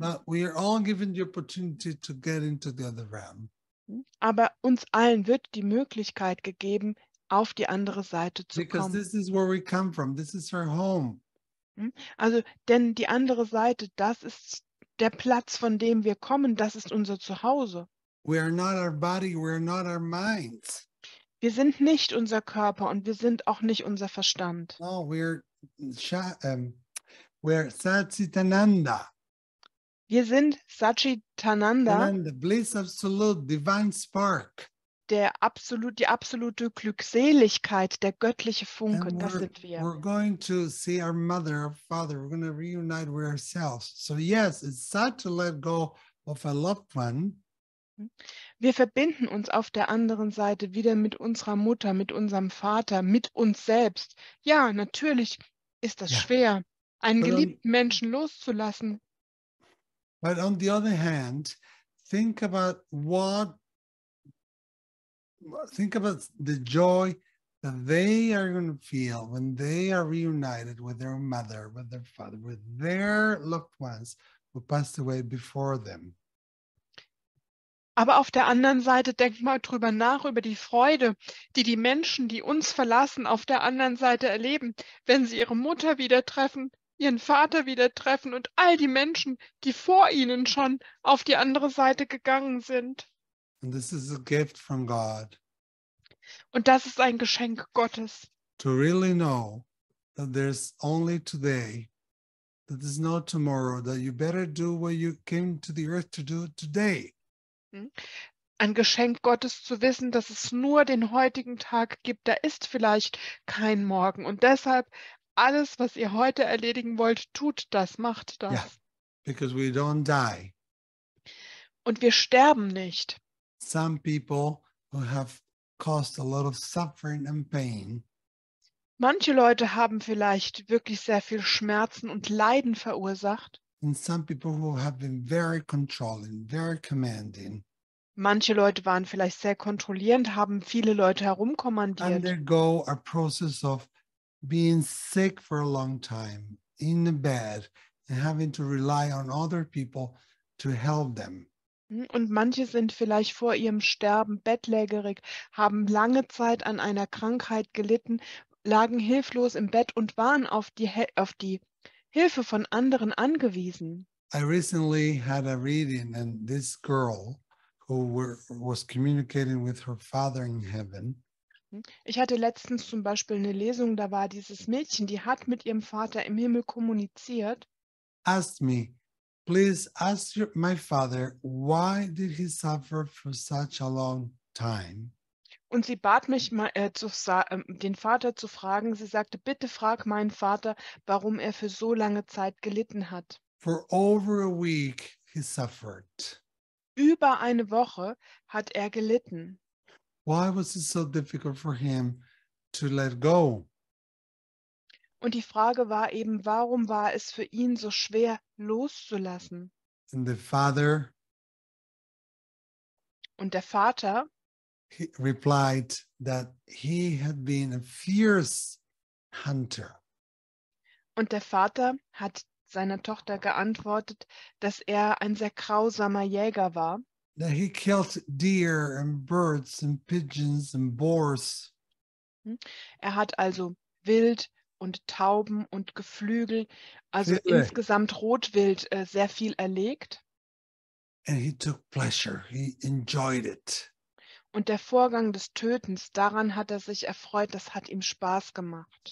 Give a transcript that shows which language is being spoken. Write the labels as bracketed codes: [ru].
[en] But we are all given the opportunity to get into the other realm. [de] Aber uns allen wird die Möglichkeit gegeben, auf die andere Seite zu kommen. [en] Because this is where we come from. This is our home. [de] Also, denn die andere Seite, das ist der Platz, von dem wir kommen. Das ist unser Zuhause. [en] We are not our body. We are not our minds. [de] Wir sind nicht unser Körper und wir sind auch nicht unser Verstand. [en] No, we're Satchitananda. [de] Wir sind Satchitananda, [en] the bliss absolute, divine spark. [de] Die absolute Glückseligkeit, der göttliche Funke, das sind wir. [en] We're going to see our mother, our father, we're going to reunite with ourselves. So yes, it's sad to let go of a loved one. [de] Wir verbinden uns auf der anderen Seite wieder mit unserer Mutter, mit unserem Vater, mit uns selbst. Ja, natürlich ist das schwer, einen geliebten Menschen loszulassen. [en] But on the other hand, think about the joy that they are going to feel when they are reunited with their mother, with their father, with their loved ones who passed away before them. [de] Aber auf der anderen Seite, denk mal drüber nach, über die Freude, die Menschen, die uns verlassen, auf der anderen Seite erleben, wenn sie ihre Mutter wieder treffen, ihren Vater wieder treffen und all die Menschen, die vor ihnen schon auf die andere Seite gegangen sind. [en] And this is a gift from God. [de] Und das ist ein Geschenk Gottes. [en] To really know that there's only today, that there's no tomorrow, that you better do what you came to the earth to do today. [de] Ein Geschenk Gottes zu wissen, dass es nur den heutigen Tag gibt, da ist vielleicht kein Morgen. Und deshalb, alles, was ihr heute erledigen wollt, tut das, macht das. [en] Yeah, because we don't die. [de] Und wir sterben nicht. [en] Some people who have caused a lot of suffering and pain. [de] Manche Leute haben vielleicht wirklich sehr viel Schmerzen und Leiden verursacht. [en] And some people who have been very controlling, very commanding. [de] Manche Leute waren vielleicht sehr kontrollierend, haben viele Leute herumkommandiert. [en] Undergo a process of being sick for a long time in the bed and having to rely on other people to help them. [de] Und manche sind vielleicht vor ihrem Sterben bettlägerig, haben lange Zeit an einer Krankheit gelitten, lagen hilflos im Bett und waren auf die Hilfe von anderen angewiesen. [en] I recently had a reading, and this girl was communicating with her father in heaven. [de] Ich hatte letztens zum Beispiel eine Lesung, da war dieses Mädchen, die hat mit ihrem Vater im Himmel kommuniziert. [en] Asked me, please ask my father, why did he suffer for such a long time? [de] Und sie bat mich, den Vater zu fragen. Sie sagte, bitte frag meinen Vater, warum er für so lange Zeit gelitten hat. [en] For over a week he suffered. [de] Über eine Woche hat er gelitten. [en] Why was it so difficult for him to let go? [de] Und die Frage war eben, warum war es für ihn so schwer loszulassen? [en] And the father, [de] und der Vater, [en] he replied that he had been a fierce hunter. [de] Und der Vater hat seiner Tochter geantwortet, dass er ein sehr grausamer Jäger war. [en] That he killed deer and birds and pigeons and boars. [de] Er hat also Wild und Tauben und Geflügel, also insgesamt Rotwild, sehr viel erlegt. [en] And he took pleasure. He enjoyed it. [de] Und der Vorgang des Tötens, daran hat er sich erfreut, das hat ihm Spaß gemacht.